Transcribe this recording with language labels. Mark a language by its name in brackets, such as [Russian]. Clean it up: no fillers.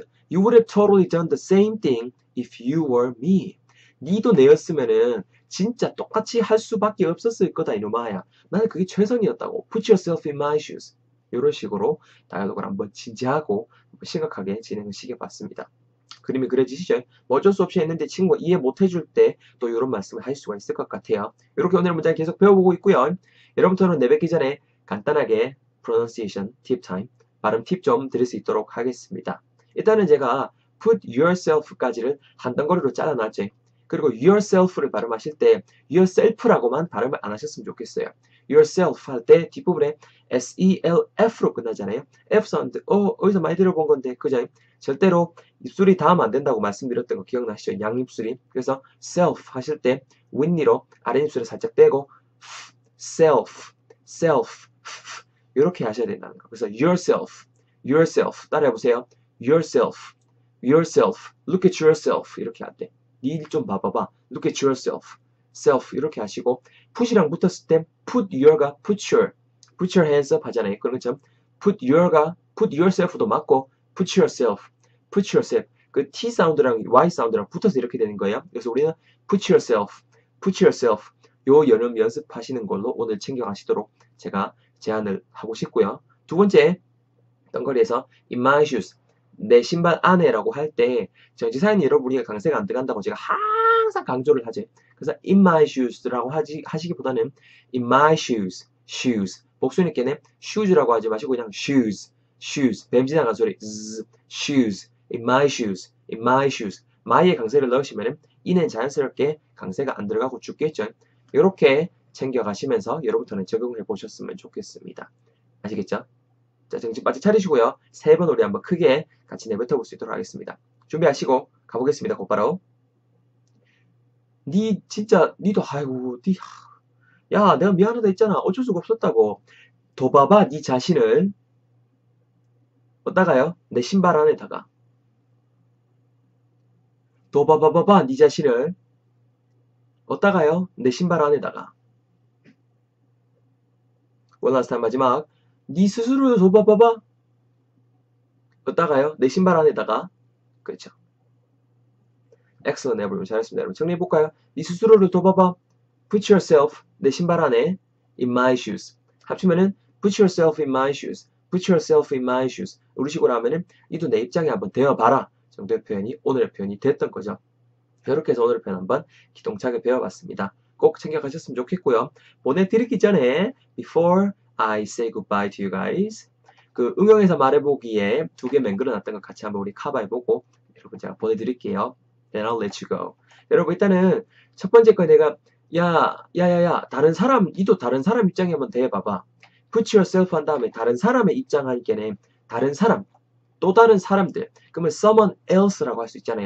[English] You would have totally done the same thing if you were me. [Korean] 니도 내였으면은 진짜 똑같이 할 수밖에 없었을 거다, 이놈아야. 나는 그게 최선이었다고. [English] Put yourself in my shoes. [Korean] 이런 식으로 다이얼로그를 한번 진지하고 심각하게 진행을 시켜봤습니다. 그림이 그려지시죠? 뭐 어쩔 수 없이 했는데 친구가 이해 못 해줄 때또 이런 말씀을 할 수가 있을 것 같아요. 이렇게 오늘 문장 계속 배워보고 있고요. 여러분들은 내뱉기 전에 간단하게 [English] pronunciation tip time, [Korean] 발음 팁좀 드릴 수 있도록 하겠습니다. 일단은 제가 put yourself까지를 한 덩어리로 잘라놨죠. 그리고 yourself를 발음하실 때 yourself라고만 발음을 안 하셨으면 좋겠어요. yourself 할때 뒷부분에 self로 끝나잖아요. f 사운드, 어디서 많이 들어본 건데, 그죠? 절대로 입술이 닿으면 안 된다고 말씀드렸던 거 기억나시죠? 양입술이. 그래서 self 하실 때 윗니로 아래 입술을 살짝 떼고 self, self, 이렇게 하셔야 된다는 거. 그래서 [English] yourself, yourself [Korean] 따라해보세요. [English] yourself, yourself, look at yourself [Korean] 이렇게 할 때. 니일좀 봐봐봐. [English] Look at yourself. Self. 이렇게 하시고, put이랑 붙었을 때, put your가 put your hands up 하잖아요. [Korean] 그런 것처럼, [English] put your가 put yourself도 맞고, put yourself, put yourself. [Korean] 그 T 사운드랑 Y 사운드랑 붙어서 이렇게 되는 거예요. 그래서 우리는 [English] put yourself, put yourself. [Korean] 요 연음 연습하시는 걸로 오늘 챙겨가시도록 제가 제안을 하고 싶고요. 두 번째, 덩거리에서 in my shoes. 내 신발 안에라고 할 때, 정지사인 여러분이 강세가 안 들어간다고 제가 항상 강조를 하죠. [English] 그래서, in my shoes라고 하시기보다는, in my shoes, shoes. [Korean] 복수니 깨네, shoes라고 하지 마시고, 그냥 shoes, shoes. 뱀 지나간 소리, [English] z, shoes, in my shoes, in my shoes. [Korean] my의 강세를 넣으시면은, in은 자연스럽게 강세가 안 들어가고 죽겠죠. 이렇게 챙겨가시면서, 여러분들은 적용해 보셨으면 좋겠습니다. 아시겠죠? 자, 정신 바짝 차리시고요. 세번 우리 한번 크게 같이 내뱉어 볼수 있도록 하겠습니다. 준비하시고 가보겠습니다. 곧바로. 니 진짜 니도 아이고 니 야, 내가 미안하다 했잖아. 어쩔 수가 없었다고. 둬 봐봐 니 자신을. 어디다가요? 내 신발 안에다가. 둬 봐봐봐봐 니 자신을. 어디다가요? 내 신발 안에다가. [English] One last time [Korean] 마지막. 니 스스로 줘봐봐봐. 어따가요? 내 신발 안에다가. 그렇죠. 엑셀런트 여러분 잘했습니다. 여러분 정리해 볼까요? 니 스스로를 줘봐봐. [English] Put yourself [Korean] 내 신발 안에. [English] In my shoes. [Korean] 합치면은 [English] Put yourself in my shoes. Put yourself in my shoes. [Korean] 우리 식으로 하면은 니도 내 입장에 한번 되어 봐라 정도의 표현이 오늘의 표현이 됐던 거죠. 이렇게 해서 오늘의 표현 한번 기동차게 배워봤습니다. 꼭 챙겨 가셨으면 좋겠고요. 보내드리기 전에 [English] before I say goodbye to you guys. [Korean] 그 응용해서 말해보기에 두개 맹글어 놨던 거 같이 한번 우리 커버해보고 여러분 제가 보내드릴게요. [English] Then I'll let you go. [Korean] 여러분 일단은 첫 번째 거 내가 야야야야 다른 사람 이도 다른 사람 입장에 한번 대해봐봐. Put yourself 한 다음에 다른 사람의 입장 하니깐에 다른 사람 또 다른 사람들 그러면 [English] someone else [Korean] 라고 할수 있잖아요.